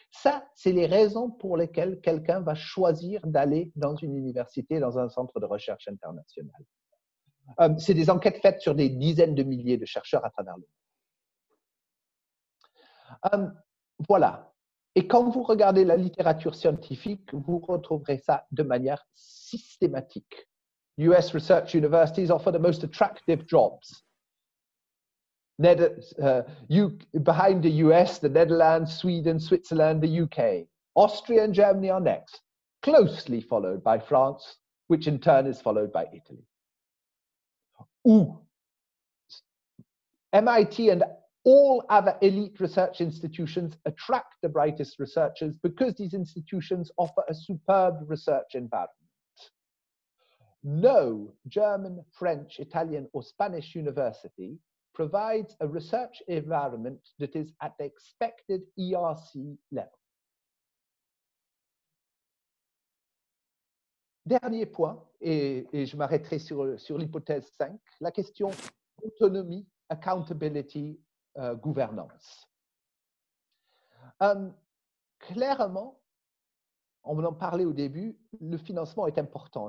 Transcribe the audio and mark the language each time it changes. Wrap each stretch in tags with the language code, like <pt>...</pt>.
<fr>Ça, c'est les raisons pour lesquelles quelqu'un va choisir d'aller dans une université, dans un centre de recherche international. C'est des enquêtes faites sur des dizaines de milliers de chercheurs à travers le monde. Voilà. Et quand vous regardez la littérature scientifique, vous retrouverez ça de manière systématique.</fr> <en>US research universities offer the most attractive jobs. Behind the US, the Netherlands, Sweden, Switzerland, the UK. Austria and Germany are next, closely followed by France, which in turn is followed by Italy. Ou MIT and all other elite research institutions attract the brightest researchers because these institutions offer a superb research environment. No German, French, Italian or Spanish university provides a research environment that is at the expected ERC level.</en> <fr>Dernier point, et je m'arrêterai sur l'hypothèse 5, la question autonomie, accountability, gouvernance. Clairement, on en parlait au début, le financement est important.</fr>